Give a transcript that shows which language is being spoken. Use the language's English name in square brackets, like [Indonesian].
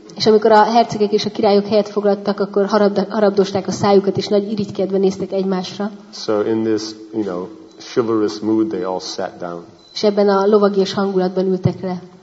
[Hungarian] És amikor a hercegek és a királyok helyet foglaltak, akkor harabdosták a szájukat és nagy irigykedve néztek egymásra. [English] So in this, you know, chivalrous mood, they all sat down. [Hungarian] És ebben a lovagias hangulatban ültek le.